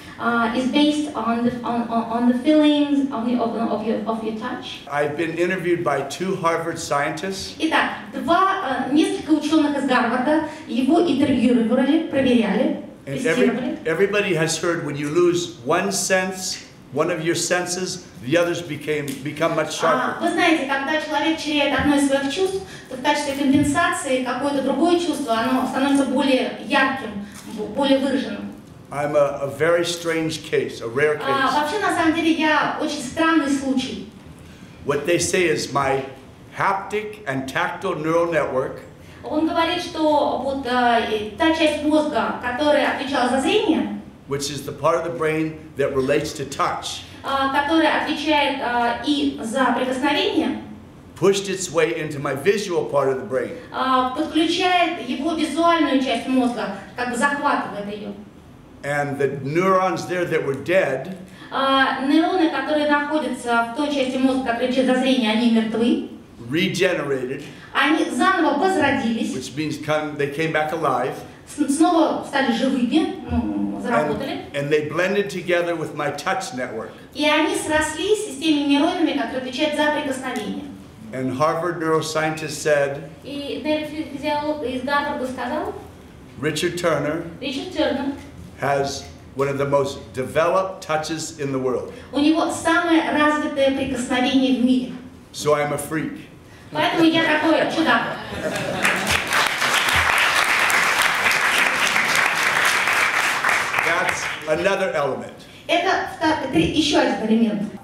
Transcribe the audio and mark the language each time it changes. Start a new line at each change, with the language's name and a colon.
English: is based on the feelings of your touch. I've been interviewed by two Harvard scientists.
Russian: Итак, два несколько ученых из Гарварда его интервьюировали, проверяли.
English: And everybody has heard when you lose one sense, one of your senses, the others become much sharper.
Russian: Вы знаете, когда человек теряет одно из своих чувств, то в качестве компенсации какое-то другое чувство, оно становится более ярким, более выраженным.
English: I'm a very strange case, a rare case.
Russian: Вообще, на самом деле, я очень странный случай.
English: What they say is my haptic and tactile neural network.
Russian: Он говорит, что вот та часть мозга, которая отвечала за зрение,
English: which is the part of the brain that relates to touch,
Russian: которая отвечает и за прикосновение,
English: pushed its way into my visual part of the brain.
Russian: Подключает его визуальную часть мозга, как бы захватывает ее.
English: And the neurons there that were dead,
Russian: нейроны, которые находятся в той части мозга, которая отвечает за зрение, они мертвы.
English: Regenerated,
Russian: они заново возродились,
English: which means they came back alive.
Russian: Снова стали живыми, заработали.
English: And they blended together with my touch network.
Russian: И они срослись с теми нейронами, которые отвечают за прикосновение.
English: And Harvard neuroscientist said,
Russian: и нейрофизиолог из Гарварда сказал,
English: Richard Turner has one of the most developed touches in the world.
Russian: У него самое развитое прикосновение в мире.
English: So I'm a freak.
Russian: Поэтому я такой чудак.
English: That's another element.
Russian: Это еще один элемент.